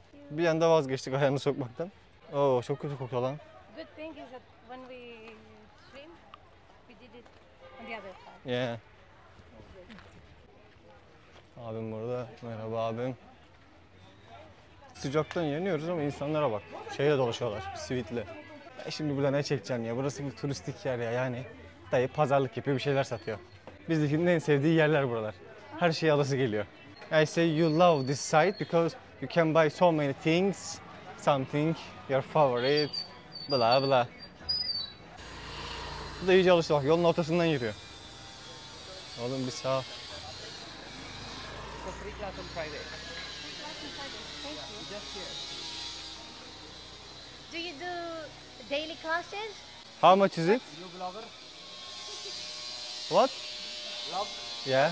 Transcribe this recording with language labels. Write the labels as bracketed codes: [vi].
[tr] Bir anda vazgeçtik ayağını sokmaktan. Oo, çok kötü kokuyor lan. [en] Good thing is that when we swim, we did it on the other side. Yeah. [tr] Abim burada, merhaba abim. Sıcaktan yanıyoruz ama insanlara bak. Şeyle dolaşıyorlar, sweetle. Ben şimdi burada ne çekeceğim ya? Burası bir turistik yer ya yani. Dayı pazarlık yapıyor, bir şeyler satıyor. Bizdekinin en sevdiği yerler buralar. Her şeyi alası geliyor. [en] I say you love this site because you can buy so many things. Something, your favorite, blah blah. [tr] Bu da iyice alıştı bak, yolun ortasından yürüyor. Oğlum bir sağ. [en] For free class on Friday. Do you do daily classes? How much is it? You blogger? What? Blog? Yeah.